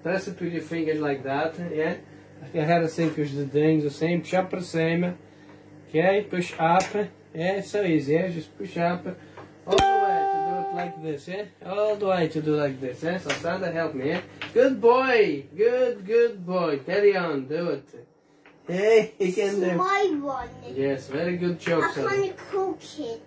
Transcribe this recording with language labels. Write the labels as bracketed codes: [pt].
[en] Press it with your fingers like that, yeah? [pt] Carregar assim com os dedinhos, assim, puxar para cima. [en] Ok? Push up. Yeah, it's so easy, yeah? Just push up. All the way to do it like this, yeah? All the way to do it like this, yeah? So Sandra help me, yeah? Good boy! Good boy. Carry on, do it. Hey, he can do. My one. Yes, very good job, I'm gonna cook it.